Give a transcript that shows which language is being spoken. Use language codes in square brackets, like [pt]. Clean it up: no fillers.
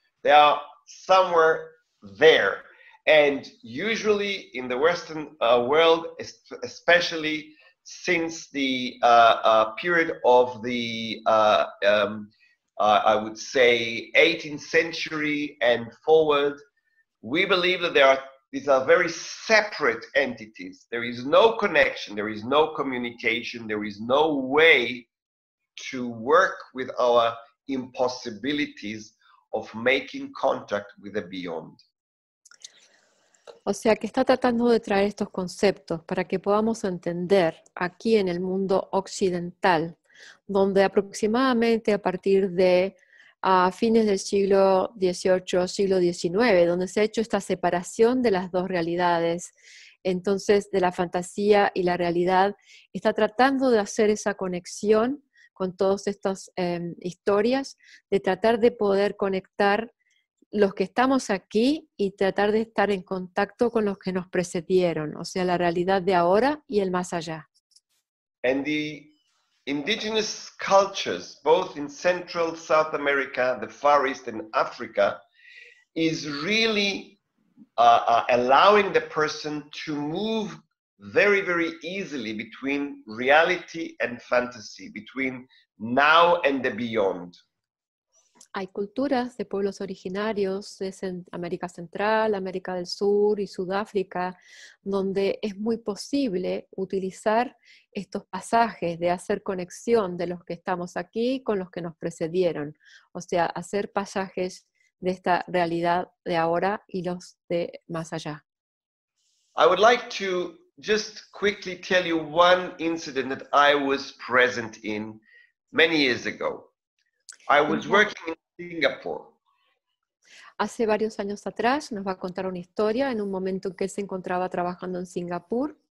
[en] They are somewhere there. And usually in the Western world, especially since the period of the, I would say, 18th century and forward, we believe that these are very separate entities. There is no connection, there is no communication, there is no way to work with our impossibilities of making contact with the beyond. [es] O sea, que está tratando de traer estos conceptos para que podamos entender aquí en el mundo occidental, donde aproximadamente a partir de fines del siglo XVIII, siglo XIX, donde se ha hecho esta separación de las dos realidades, entonces de la fantasía y la realidad, está tratando de hacer esa conexión con todas estas historias, de tratar de poder conectar los que estamos aquí y tratar de estar en contacto con los que nos precedieron, o sea, la realidad de ahora y el más allá. [en] And the indigenous cultures, both in Central South America, the Far East and Africa, is really allowing the person to move very, very easily between reality and fantasy, between now and the beyond. [es] Hay culturas de pueblos originarios en América Central, América del Sur y Sudáfrica, donde es muy posible utilizar estos pasajes de hacer conexión de los que estamos aquí con los que nos precedieron. O sea, hacer pasajes de esta realidad de ahora y los de más allá. [en] I would like to just quickly tell you one incident that I was present in many years ago. I was working in Singapore. [es] hace varios años atrás, nos va a contar una historia en un momento en que se encontraba trabajando en Singapur.